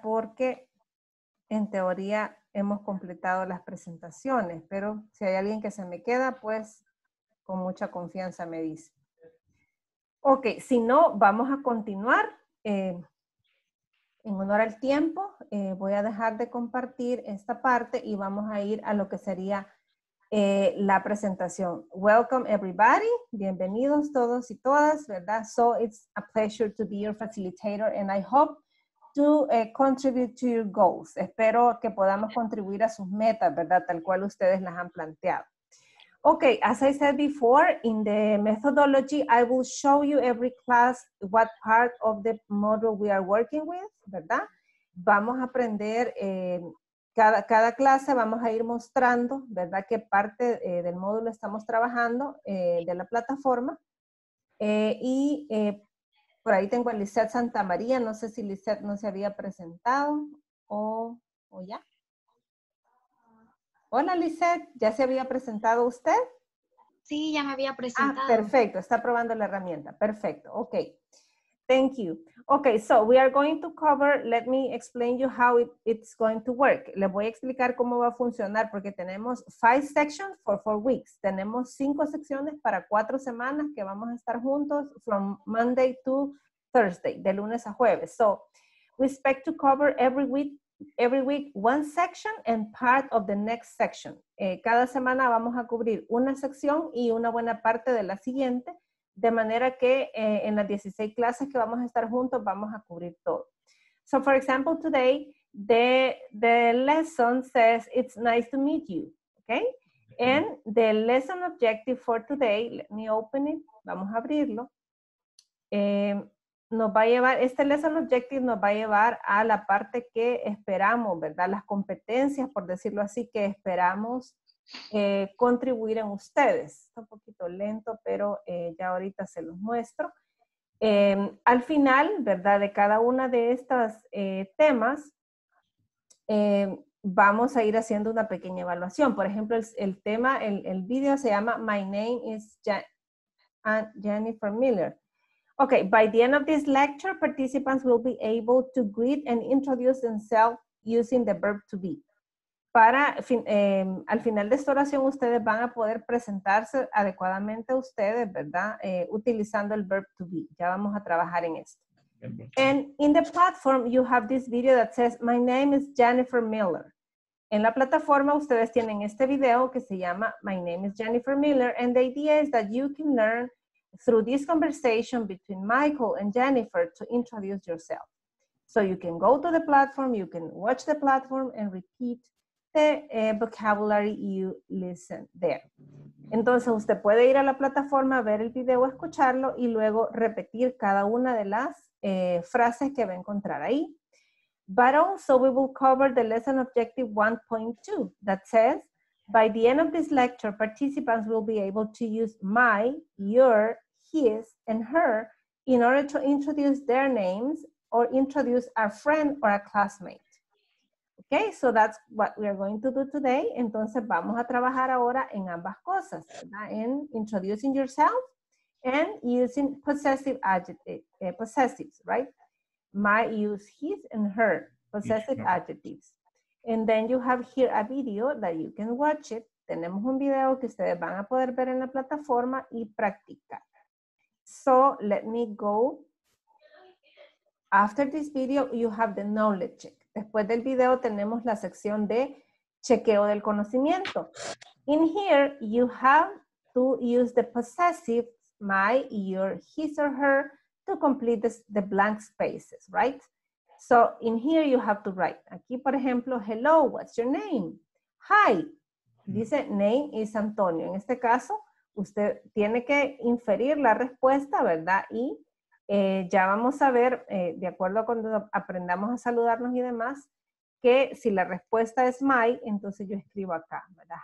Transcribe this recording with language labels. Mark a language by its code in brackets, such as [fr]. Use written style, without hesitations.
[es] Porque en teoría hemos completado las presentaciones, pero si hay alguien que se me queda, pues con mucha confianza me dice. Ok, si no, vamos a continuar. En honor al tiempo, voy a dejar de compartir esta parte y vamos a ir a lo que sería la presentación. [en] Welcome everybody, [es] bienvenidos todos y todas, ¿verdad? [en] So it's a pleasure to be your facilitator and I hope to contribute to your goals. [es] Espero que podamos contribuir a sus metas, ¿verdad? Tal cual ustedes las han planteado. [en] Okay, as I said before, in the methodology, I will show you every class what part of the module we are working with, ¿verdad? [es] Vamos a aprender, cada clase vamos a ir mostrando, ¿verdad? Qué parte del módulo estamos trabajando, de la plataforma. Por ahí tengo a Lizeth Santa María, no sé si Lizeth no se había presentado o ya. Hola, Lizeth. ¿Ya se había presentado usted? Sí, ya me había presentado. Ah, perfecto. Está probando la herramienta. Perfecto. [en] Okay. Thank you. Okay, so we are going to cover, let me explain you how it's going to work. [es] Les voy a explicar cómo va a funcionar porque tenemos [en] 5 sections for 4 weeks. [es] Tenemos 5 secciones para 4 semanas que vamos a estar juntos [en] from Monday to Thursday, [es] de lunes a jueves. [en] So, we expect to cover every week one section and part of the next section. [es] Cada semana vamos a cubrir una sección y una buena parte de la siguiente. De manera que en las 16 clases que vamos a estar juntos, vamos a cubrir todo. [en] So, for example, today, the lesson says, it's nice to meet you, okay? And the lesson objective for today, let me open it, [es] vamos a abrirlo. Nos va a llevar, este lesson objective nos va a llevar a la parte que esperamos, ¿verdad? Las competencias, por decirlo así, que esperamos contribuir en ustedes. Está un poquito lento, pero ya ahorita se los muestro. Al final, ¿verdad? De cada una de estas temas, vamos a ir haciendo una pequeña evaluación. Por ejemplo, el video se llama My Name is Jennifer Miller. [en] Okay, by the end of this lecture, participants will be able to greet and introduce themselves using the verb to be. [es] Al final de esta oración, ustedes van a poder presentarse adecuadamente a ustedes, ¿verdad? Utilizando el verb to be. Ya vamos a trabajar en esto. [en] And in the platform, you have this video that says, My name is Jennifer Miller. [es] En la plataforma, ustedes tienen este video que se llama My name is Jennifer Miller. [en] And the idea is that you can learn through this conversation between Michael and Jennifer to introduce yourself. So you can go to the platform, you can watch the platform and repeat the vocabulary you listen there. [es] Entonces, usted puede ir a la plataforma, ver el video, escucharlo y luego repetir cada una de las frases que va a encontrar ahí. [en] But also, we will cover the lesson objective 1.2 that says, by the end of this lecture, participants will be able to use my, your, his, and her in order to introduce their names or introduce a friend or a classmate. Okay, so that's what we are going to do today. [es] Entonces vamos a trabajar ahora en ambas cosas, ¿verdad? [en] En introducing yourself and using possessive adjectives, right? My, use his and her, possessive adjectives. And then you have here a video that you can watch it. [es] Tenemos un video que ustedes van a poder ver en la plataforma y practicar. [en] So let me go. After this video, you have the knowledge check. [es] Después del video tenemos la sección de chequeo del conocimiento. [en] In here, you have to use the possessive, my, your, his or her, to complete the blank spaces, right? So, in here you have to write. [es] Aquí, por ejemplo, [en] hello, what's your name? [es] Hi, dice name is Antonio. En este caso, usted tiene que inferir la respuesta, ¿verdad? Y ya vamos a ver, de acuerdo a cuando aprendamos a saludarnos y demás, que si la respuesta es my, entonces yo escribo acá, ¿verdad?